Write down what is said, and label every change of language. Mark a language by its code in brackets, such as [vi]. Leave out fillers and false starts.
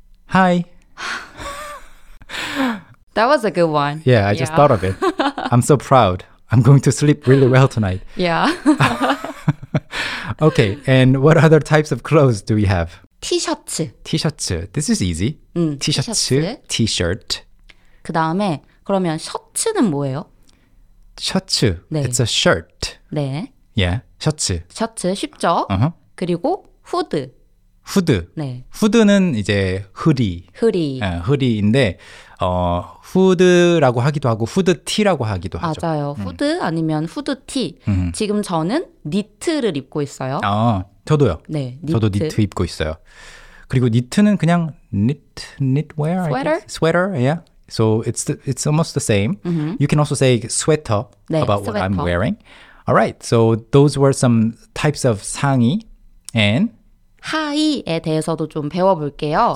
[en] Hi. That was a good one. Yeah, I just thought of it. I'm so proud. I'm going to sleep really well tonight. Yeah. Okay, and what other types of clothes do we have? T-shirts. This is easy. T-shirts. T-shirt. [ko] 그 다음에, 그러면 셔츠는 뭐예요? [en] 셔츠. 네. It's a shirt. [ko] 네. [en] Yeah, 셔츠. [ko] 셔츠, 쉽죠? Uh-huh. 그리고 후드. 후드. 네. 후드는 이제 후디. 후디. 네, 후디인데, 후드라고 하기도 하고 후드티라고 하기도 하죠. 맞아요. 후드 아니면 후드티. 지금 저는 니트를 입고 있어요. 아, 저도요. 네, 니트. 저도 니트 입고 있어요. 그리고 니트는 그냥 니트, knitwear, [en] sweater? I guess. Sweater, yeah. So it's almost the same. You can also say sweater [ko] 네, [en] about sweater. What I'm wearing. All right, so those were some types of 상의 and [ko] 하의에 대해서도 좀 배워볼게요.